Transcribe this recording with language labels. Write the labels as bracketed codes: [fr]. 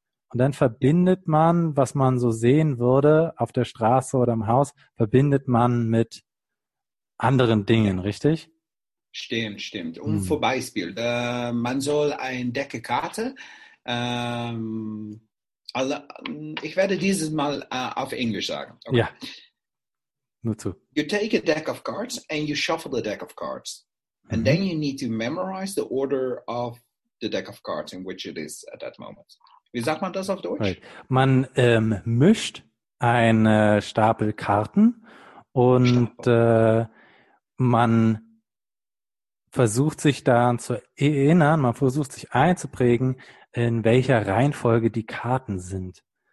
[de] Und dann verbindet man, was man so sehen würde auf der Straße oder im Haus, verbindet man mit anderen Dingen, richtig? Stimmt, stimmt. Und zum Beispiel, man soll eine Deckekarte, ich werde dieses Mal auf Englisch sagen. Okay. Ja. Nur zu. [en] You take a deck of cards and you shuffle the deck of cards. And then you need to memorize the order of the deck of cards in which it is at that moment. [de] Wie sagt man das auf Deutsch? Right. Man mischt einen Stapel Karten und man versucht sich daran zu erinnern, man versucht sich einzuprägen, in welcher Reihenfolge die Karten sind.